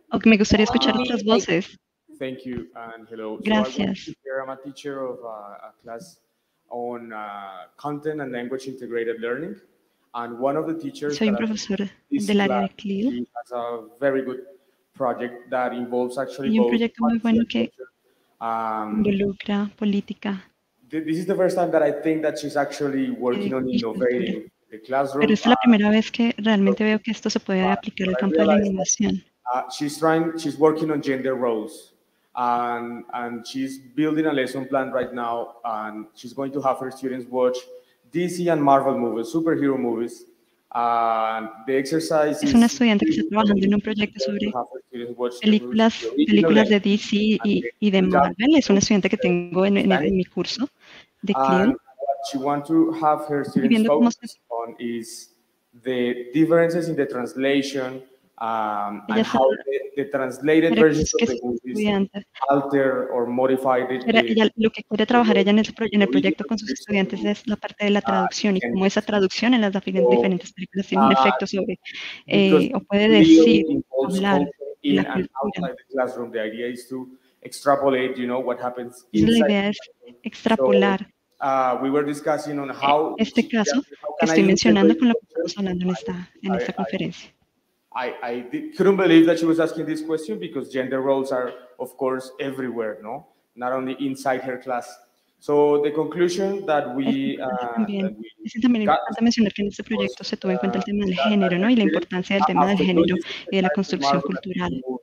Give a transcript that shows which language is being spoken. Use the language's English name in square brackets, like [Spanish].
[Spanish] Okay, me gustaría escuchar otras voces. [English] Thank you and hello. [Spanish] Gracias. [English] So I'm a teacher of a class on content and language integrated learning, and one of the teachers. [Spanish] Soy un profesor del área de CLIL. [English] Has a very good project that involves actually both. [Spanish] Y un proyecto muy bueno que involucra política. [English] This is the first time that I think that she's actually working on innovating. [Spanish] Pero es la primera vez que realmente veo que esto se puede aplicar al campo de la innovación. [English] She's working on gender roles and she's building a lesson plan right now and she's going to have her students watch DC and Marvel movies, superhero movies. The exercise [Spanish] es una estudiante que está trabajando en un proyecto sobre películas de DC y de Marvel. Es una estudiante que tengo en mi curso de CLIL. [English] She wants to have her students focus on is the differences in the translation and how the translated versions of the movies alter or modify the. [Spanish] Lo que quiere trabajar ella en el proyecto con sus estudiantes es la parte de la traducción y cómo esa traducción en las diferentes películas tiene un efecto sobre o puede decir hablar en la cultura. [English] Outside the classroom, the idea is to extrapolate. You know what happens inside. [Spanish] La idea es extrapolar. [English] We were discussing on how. [Spanish] Este caso, how estoy mencionando con lo que estamos hablando en esta conferencia. [English] I couldn't believe that she was asking this question because gender roles are, of course, everywhere, no? Not only inside her class. So the conclusion that we. [Spanish] También es importante mencionar que en este proyecto se tuvo en cuenta el tema del género, ¿no? Y la importancia del tema del género y de la construcción cultural.